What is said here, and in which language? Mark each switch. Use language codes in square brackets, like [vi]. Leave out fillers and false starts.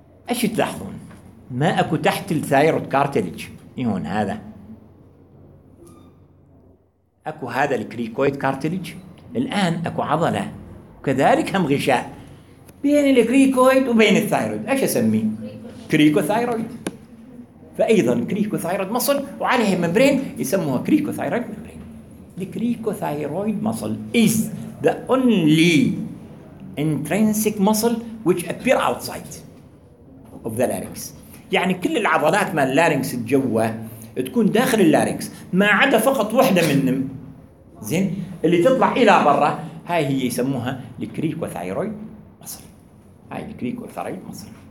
[ar] ايش تلاحظون؟ ما اكو تحت الثايرويد كارتليج، هون هذا اكو هذا الكريكويد كارتليج، الان اكو عضله وكذلك هم غشاء بين الكريكويد وبين الثايرويد، ايش اسميه؟ كريكوثايرويد. فايضا كريكوثايرويد مصل وعليه ممبرين يسموها كريكوثايرويد ممبرين. الكريكوثايرويد مصل [en] is the only intrinsic muscle which appear outside of the larynx. [ar] يعني كل العضلات مال larynx الجوة تكون داخل larynx، ما عدا فقط وحدة منهم زين اللي تطلع الى برا، هاي هي يسموها الكريكوثايرويد. هاي الكريك والثايرويد مصر.